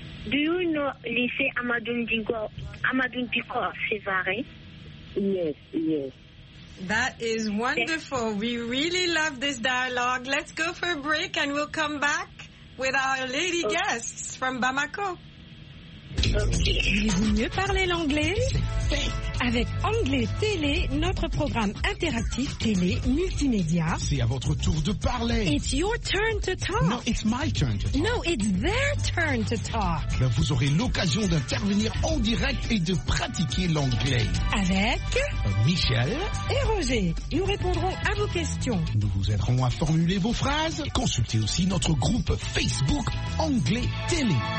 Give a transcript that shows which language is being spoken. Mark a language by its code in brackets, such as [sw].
[en] Do you know Lycée Amadou Diko Sevare? Yes. That is wonderful. Yes. We really love this dialogue. Let's go for a break and we'll come back with our lady guests from Bamako. Okay. [fr] Voulez-vous mieux parler l'anglais? Avec Anglais Télé, notre programme interactif télé multimédia. C'est à votre tour de parler. [en] It's your turn to talk. No, it's my turn to talk. No, it's their turn to talk. [fr] Ben, vous aurez l'occasion d'intervenir en direct et de pratiquer l'anglais. Avec Michel et Roger. Nous répondrons à vos questions. Nous vous aiderons à formuler vos phrases. Consultez aussi notre groupe Facebook Anglais Télé.